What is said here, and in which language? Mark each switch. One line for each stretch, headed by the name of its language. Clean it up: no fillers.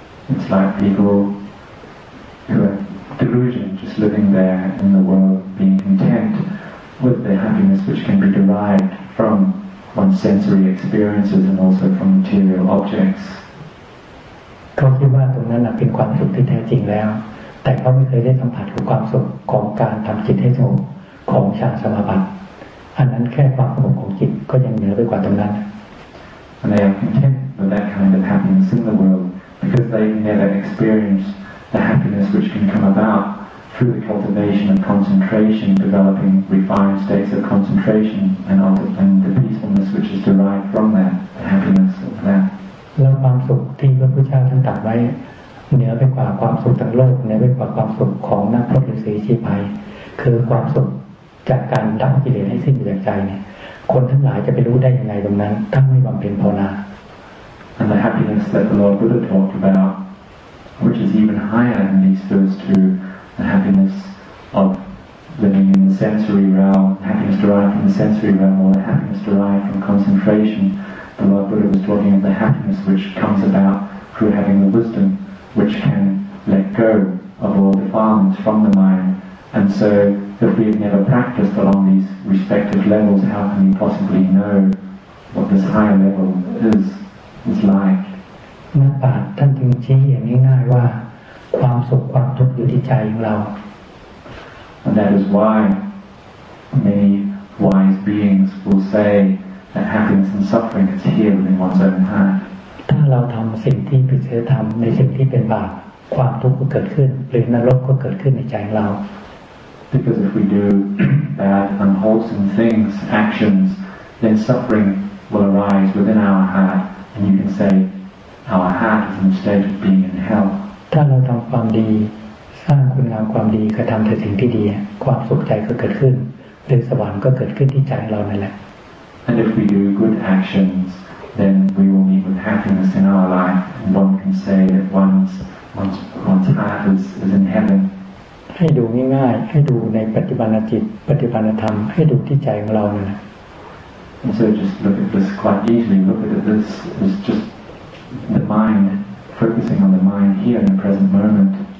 English: It's like people who are delusion just living there in the world being content with the happiness which can be derived from one's sensory experiences and also from material objects
Thai: เขาคิดว่าตรงนั้นเป็นความสุขที่แท้จริงแล้วแต่เขาไม่เคยได้สัมผัสกับความสุขของการทำจิตให้สงบของฌานสมาบัติอันนั้นแค่ความสงบของจิตก็ยังเหนือไปกว่าตรงนั้น
English: And they are content with that kind of happiness in the world because they never experienced the happiness which can come about through the cultivation of concentration, developing refined states of concentration, and ultimately the peacefulness which is derived from that, the happiness of that.
Thai: แล้วความสุขที่พระพุทธเจ้าท่านตรัสไว้เหนือไปกว่าความสุขทั้งโลกเหนือไปกว่าความสุขของนักพรตฤาษีชีพัยคือความสุขจากการดับกิเลสให้สิ้นจากใจเนี่ยคนทั้งหลายจะไปรู้ได้ยังไงตรงนั้นถ้าไม่บำเพ็ญภาวนา
English: And the happiness that the Lord Buddha talked about which is even higher than these first two the happiness of living in the sensory realm happiness derived from the sensory realm or the happiness derived from concentration the Lord Buddha was talking of the happiness which comes about through having the wisdomwhich can let go of all the defilements from the mind. And so, if we have never practiced along these respective levels, how can we possibly know what this higher level is like?
Thai: นักปราชญ์ท่านจึงชี้อย่างง่ายๆว่าความสุขความทุกข์อยู่ที่ใจของเรา
English: And that is why many wise beings will say that happiness and suffering is here within one's own heart.
Thai: ถ้าเราทำสิ่งที่ผิดศีลธรรมในสิ่งที่เป็นบาปความทุกข์ก็เกิดขึ้นหรือนรกก็เกิดขึ้นในใจเรา
English: Because if we do bad unwholesome things actions then suffering will arise within our heart and you can say our heart is in a state of being in hell
Thai: ถ้าเราทำความดี สร้างคุณงามความดีกระทำแต่สิ่งที่ดีความสุขใจก็เกิดขึ้นหรือสวรรค์ก็เกิดขึ้นที่ใจเรานั่นแหละ
English: And if we do good actions then we will meet with happiness in our life and one can say that one's heart is in heaven
Thai: ให้ดูง่ายๆให้ดูในปฏิบัติจิตปฏิบัติธรรมให้ดูที่ใจของเรานั่นแหละ
English: And so just look at this quite easily look at this is just the mindfocusing on the mind here in the present moment